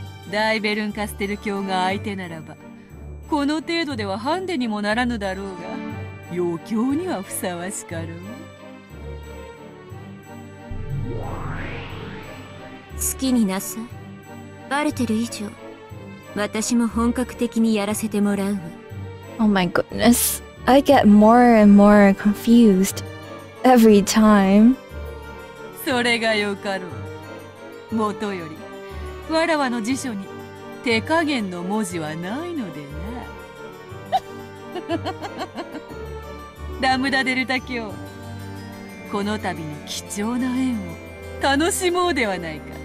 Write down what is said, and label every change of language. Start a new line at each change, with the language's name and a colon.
Japanese: 大ベルンカステル卿が相手ならばこの程度ではハンデにもならぬだろうが余興にはふさわしかろう。好きになさい。バレてる以上、私も本格的にやらせてもらうわ。
English: Oh my goodness. I get more and more confused every time.
Japanese: それがよかろう。もとより、わらわの辞書に手加減の文字はないのでな。ラムダデルタ卿、この度の貴重な縁を楽しもうではないか。